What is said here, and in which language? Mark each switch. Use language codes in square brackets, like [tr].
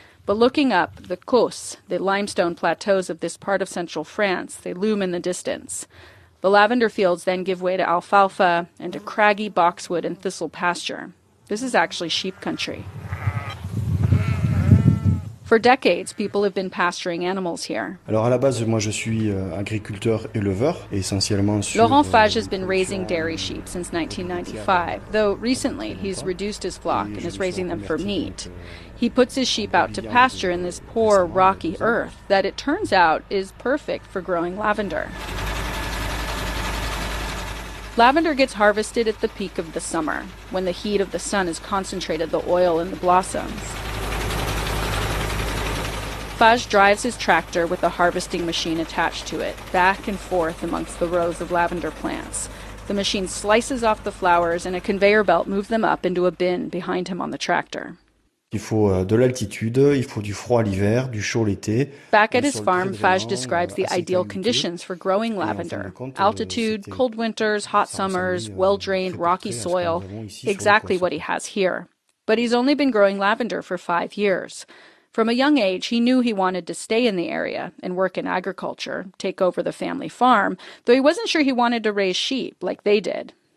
[en] But looking up, the Causses, the limestone plateaus of this part of central France, they loom in the distance. The lavender fields then give way to alfalfa and to craggy boxwood and thistle pasture. This is actually sheep country. For decades, people have been pasturing animals here. [fr] Alors à la base, moi je suis agriculteur éleveur essentiellement sur. [en] Laurent Fages has been raising dairy sheep since 1995, though recently he's reduced his flock and is raising them for meat. He puts his sheep out to pasture in this poor, rocky earth that it turns out is perfect for growing lavender. Lavender gets harvested at the peak of the summer, when the heat of the sun has concentrated the oil in the blossoms. Fage drives his tractor with a harvesting machine attached to it, back and forth amongst the rows of lavender plants. The machine slices off the flowers and a conveyor belt moves them up into a bin behind him on the tractor. [fr] Il faut de l'altitude, il faut du froid l'hiver, du chaud l'été. [en] Back at his farm, Fage describes the ideal conditions for growing lavender. Altitude, cold winters, hot summers, well-drained, rocky soil, exactly what he has here. But he's only been growing lavender for 5 years. From a young age, he knew he wanted to stay in the area and work in agriculture, take over the family farm, though he wasn't sure he wanted to raise sheep like they did.